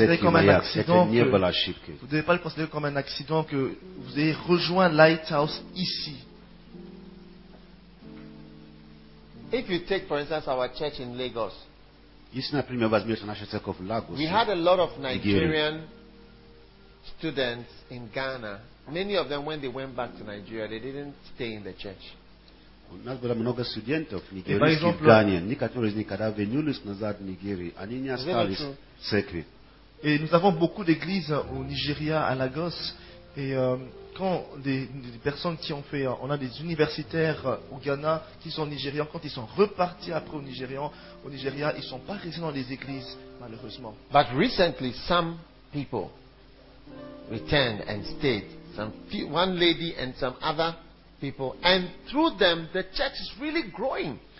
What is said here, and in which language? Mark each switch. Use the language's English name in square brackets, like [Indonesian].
[French] Vous ne devez pas le considérer comme un accident que vous ayez rejoint Lighthouse ici. [English] If you take, for instance, our church in Lagos, we had a lot of Nigerian students in Ghana. Many of them, when they went back to Nigeria, they didn't stay in the church. [French] Et nous avons beaucoup d'églises au Nigeria, à Lagos, et quand des personnes qui ont fait, on a des universitaires au Ghana qui sont nigérians, quand ils sont repartis après au Nigeria, ils ne sont pas restés dans les églises, malheureusement. [English] But recently, some people returned and stayed. One lady and some other people, and through them, the church is really growing.